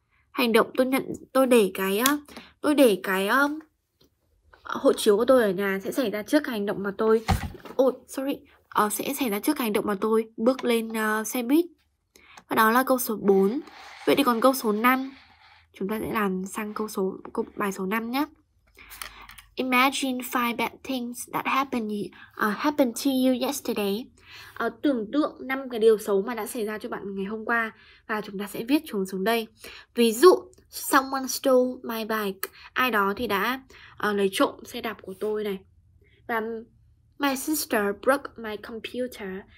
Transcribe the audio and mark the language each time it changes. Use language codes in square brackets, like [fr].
[vi] Hành động tôi để cái hộ chiếu của tôi ở nhà sẽ xảy ra trước hành động mà tôi sẽ xảy ra trước hành động mà tôi bước lên xe buýt. Và đó là câu số 4. Vậy thì còn câu số 5, chúng ta sẽ làm sang câu bài số 5 nhé. [en] Imagine 5 bad things that happened to you yesterday. [vi] Tưởng tượng 5 cái điều xấu mà đã xảy ra cho bạn ngày hôm qua, và chúng ta sẽ viết chúng xuống đây. Ví dụ, [en] someone stole my bike. [vi] Ai đó thì đã lấy trộm xe đạp của tôi này. và [en] my sister broke my computer.